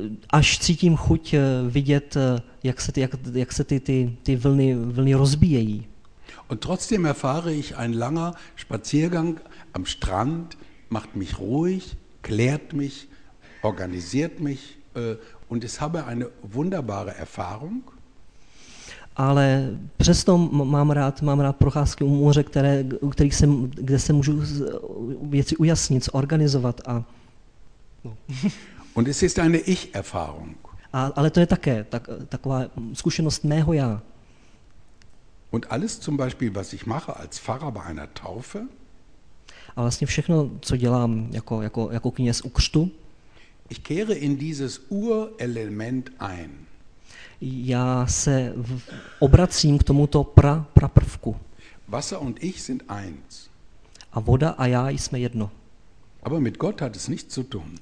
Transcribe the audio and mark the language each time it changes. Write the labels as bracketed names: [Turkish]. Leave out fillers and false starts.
[Czech] Až cítím chuť vidět, jak se ty vlny rozbíjejí. [German] Und trotzdem erfahre ich, ein langer Spaziergang am Strand macht mich ruhig, klärt mich, organisiert mich und es habe eine wunderbare Erfahrung. [Czech] Ale přesto mám rád procházky u moře, kde se můžu věci ujasnit, organizovat a. [German] Und es ist eine Ich-Erfahrung. [Czech] Ale to je také taková zkušenost mého já. [German] Und alles zum Beispiel, was ich mache als Pfarrer bei einer Taufe. [Czech] A vlastně všechno, co dělám jako kněz u křtu. [German] Ich kehre in dieses Urelement ein. [Czech] Já se obracím k tomuto praprvku. [German] Wasser und ich sind eins. [Czech] A voda a já jsme jedno. [German] Aber mit Gott hat es nichts zu tun.